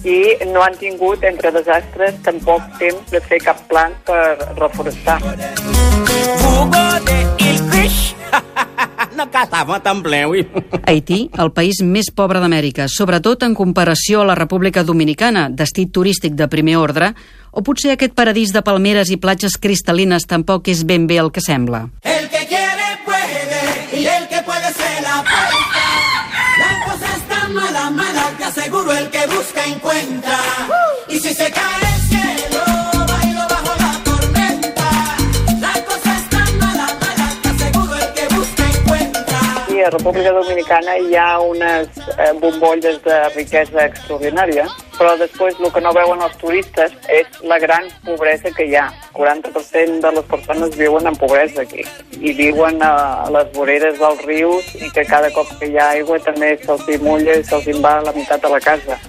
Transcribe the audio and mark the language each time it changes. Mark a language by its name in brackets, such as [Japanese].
[Catalan] I no han tingut, entre desastres, tampoc temps de fer cap pla per reforestar. Fugo de il creix, no que estava tan pleu. Haití, el país més pobre d'Amèrica, sobretot en comparació a la República Dominicana, destí turístic de primer ordre, o potser aquest paradís de palmeres i platges cristal·lines tampoc és ben bé el que sembla. [Spanish] El que quiere puede, y el que puede se la puede. La cosa está mala, mala, te aseguro el que busca encuentra. Y si se cae el cielo, bailo bajo la tormenta. La cosa está mala, mala, te aseguro el que busca encuentra. [Catalan] Sí, a República Dominicana hi ha unes bombolles de riquesa extraordinària. Però després el que no veuen els turistes és la gran pobresa que hi ha. 40% de les persones viuen en pobresa aquí i viuen a les voreres dels rius i que cada cop que hi ha aigua també se'ls mulla i se'ls va la meitat de la casa.